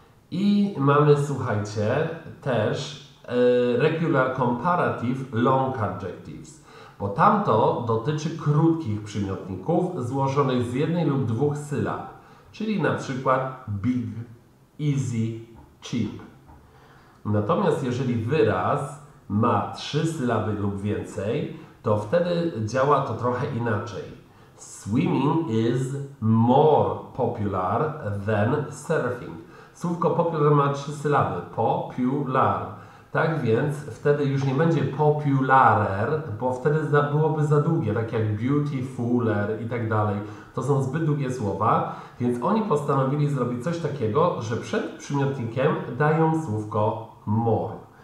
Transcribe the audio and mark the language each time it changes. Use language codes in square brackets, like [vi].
[pl] I mamy, słuchajcie, też [en] regular comparative long adjectives, [pl] bo tamto dotyczy krótkich przymiotników złożonych z jednej lub dwóch sylab, czyli na przykład big, easy, cheap. Natomiast jeżeli wyraz ma trzy sylaby lub więcej, to wtedy działa to trochę inaczej. [en] Swimming is more popular than surfing. [pl] Słówko popular ma trzy sylaby. Popular. Tak więc wtedy już nie będzie popularer, bo wtedy byłoby za długie, tak jak beautifuler i tak dalej. To są zbyt długie słowa, więc oni postanowili zrobić coś takiego, że przed przymiotnikiem dają słówko more.